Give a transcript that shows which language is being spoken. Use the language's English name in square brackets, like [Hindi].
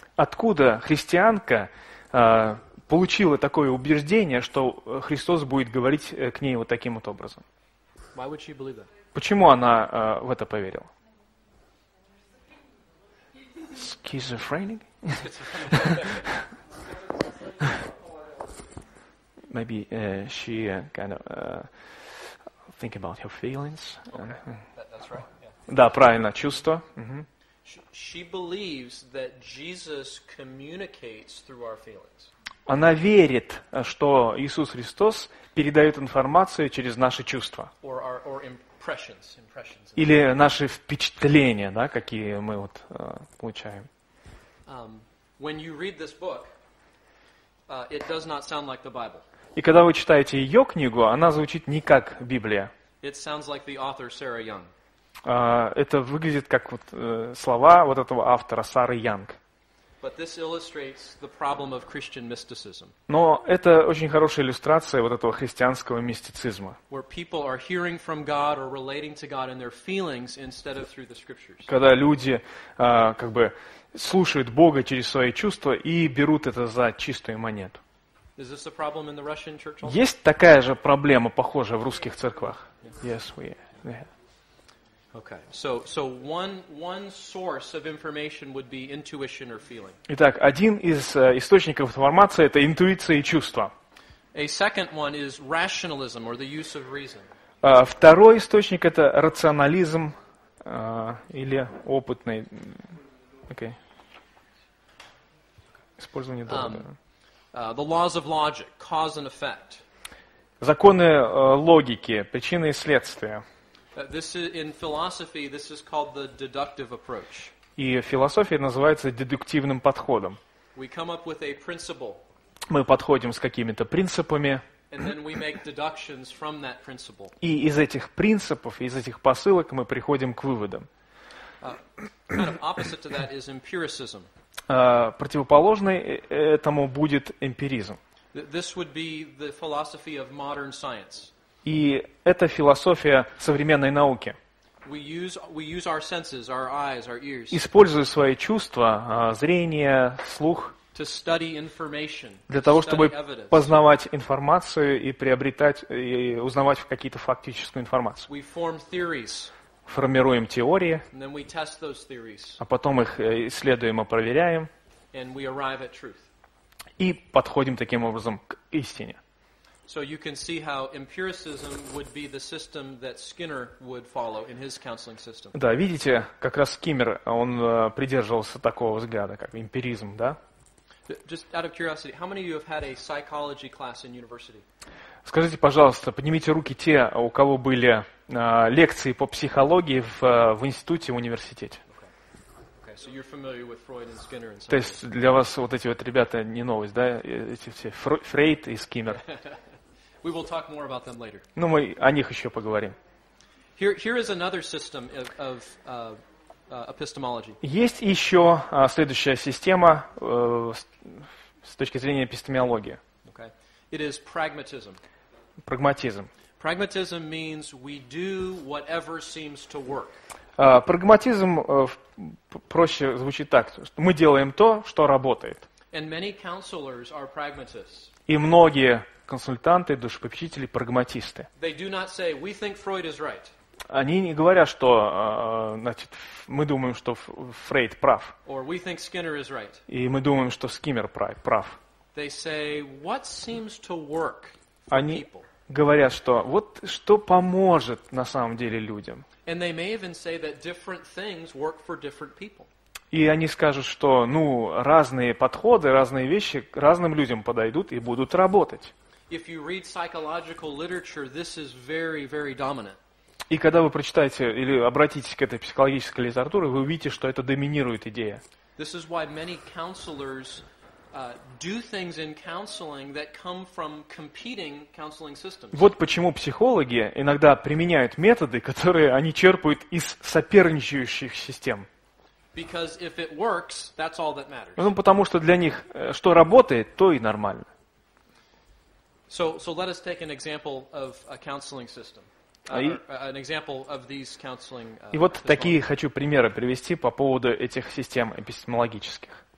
[Russian] Откуда христианка получила такое убеждение, что Христос будет говорить к ней вот таким вот образом? [English] Why would she believe that? [Russian] Почему она в это поверила? [English] Schizophrenic? Maybe she kind of think about her feelings. Okay. That's right. Yeah. [Russian] Да, правильно, чувства. [English] She believes that Jesus communicates through our feelings. [Russian] Она верит, что Иисус Христос передает информацию через наши чувства. [English] Or impressions. [Russian] Или наши впечатления, да, какие мы вот, получаем. [English] When you read this book, it does not sound like the Bible. [Russian] И когда вы читаете ее книгу, она звучит не как Библия. [English] It sounds like the author Sarah Young. [Russian] Это выглядит как вот, слова вот этого автора Сары Янг. [English] But this illustrates the problem of Christian mysticism. [Russian] Но это очень хорошая иллюстрация вот этого христианского мистицизма. [English] Where people are hearing from God or relating to God in their feelings instead of through the scriptures. [Russian] Когда люди как бы слушают Бога через свои чувства и берут это за чистую монету. [English] Is this a problem in the Russian church? [Russian] Есть такая же проблема, похожая в русских церквах? [English] Yes, we are. Yeah. Okay. So one source of information would be intuition or feeling. [Russian] Итак, один из источников информации это интуиция и чувства. [English] A second one is rationalism or the use of reason. [Russian] Второй источник это рационализм или опытный. [English] Okay. [Russian] Использование довода. [English] The laws of logic, cause and effect. [Russian] Законы логики, причины и следствия. [English] This is, in philosophy, this is called the deductive approach. [Russian] И философия называется дедуктивным подходом. [English] We come up with a principle. [Russian] Мы подходим с какими-то принципами. [English] And then we make deductions from that principle. [Russian] И из этих принципов, из этих посылок мы приходим к выводам. [English] Kind of opposite to that is empiricism. [Russian] Противоположный этому будет эмпиризм. [English] This would be the philosophy of modern science. [Russian] И это философия современной науки. [English] We use our senses, our eyes, our ears. [Russian] Используя свои чувства, зрение, слух, [English] to study information, [Russian] для того, чтобы познавать информацию и приобретать, и узнавать какие-то фактическую информацию. [English] We form theories. [Russian] Формируем теории, [English] and then we test those theories. [Russian] А потом их исследуем и проверяем. [English] And we arrive at truth. [Russian] И подходим таким образом к истине. [English] So you can see how empiricism would be the system that Skinner would follow in his counseling system. [Russian] Да, видите, как раз Скиннер, он придерживался такого взгляда, как эмпиризм, да? [English] Just out of curiosity, how many of you have had a psychology class in university? [Russian] Скажите, пожалуйста, поднимите руки те, у кого были лекции по психологии в институте, в университете. [English] Okay, so you're familiar with Freud and Skinner and so on. [Russian] То есть для вас вот эти вот ребята не новость, да, эти все Фрейд и Скиннер. [English] We will talk more about them later. [Russian] Ну, мы о них еще поговорим. [English] Here is another system of epistemology. [Russian] Есть еще следующая система с точки зрения эпистемиологии. [English] Okay. It is pragmatism. [Russian] Прагматизм. [English] Pragmatism means we do whatever seems to work. [Russian] Прагматизм проще звучит так. Мы делаем то, что работает. [English] And many counselors are pragmatists. [Russian] И многие консультанты, душепопечители, прагматисты. [English] They do not say, we think Freud is right. [Russian] Они не говорят, что значит, мы думаем, что Фрейд прав. [English] Or we think Skinner is right. [Russian] И мы думаем, что Скиннер прав. [English] They say, what seems to work for [Russian] Они [English] people? [Russian] Говорят, что вот что поможет на самом деле людям. [English] And they may even say that different things work for different people. [Russian] И они скажут, что, ну, разные подходы, разные вещи разным людям подойдут и будут работать. [English] If you read psychological literature, this is very, very dominant. [Russian] И когда вы прочитаете или обратитесь к этой психологической литературе, вы увидите, что это доминирует идея. [English] This is why many counselors do things in counseling that come from competing counseling systems. [Russian] Вот почему психологи иногда применяют методы, которые они черпают из соперничающих систем. [English] Because if it works, that's all that matters. [Russian] Ну, потому что для них, что работает, то и нормально. [English] So let us take an example of a counseling system. An example of these counseling [Russian] И вот такие хочу примеры привести по поводу этих систем эпистемологических.